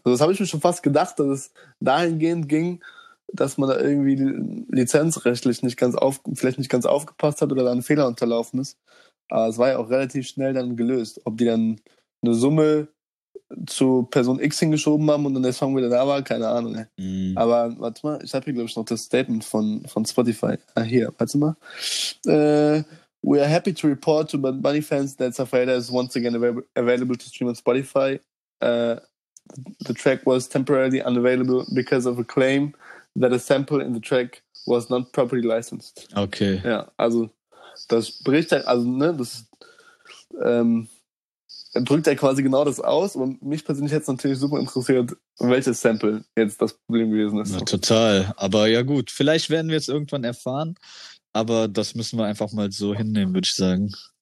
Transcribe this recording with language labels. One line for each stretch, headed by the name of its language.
German: Also das habe ich mir schon fast gedacht, dass es dahingehend ging, dass man da irgendwie lizenzrechtlich vielleicht nicht ganz aufgepasst hat oder da ein Fehler unterlaufen ist. Aber es war ja auch relativ schnell dann gelöst. Ob die dann eine Summe zu Person X hingeschoben haben und dann der Song wieder da war, keine Ahnung. Mhm. Aber warte mal, ich habe hier, glaube ich, noch das Statement von Spotify. Ah, hier, warte mal.
English: We are happy to report to Bunny fans that Zafaera is once again available to stream on Spotify. The track was temporarily unavailable because of a claim that a sample in the track was not properly licensed.
German: Okay. Ja, also das bricht halt, also ne, das drückt er quasi genau das aus. Und mich persönlich hätte es natürlich super interessiert, welches Sample jetzt das Problem gewesen ist. Na, total. Aber ja gut, vielleicht werden wir es irgendwann erfahren. Aber das müssen wir einfach mal so hinnehmen, würde ich sagen.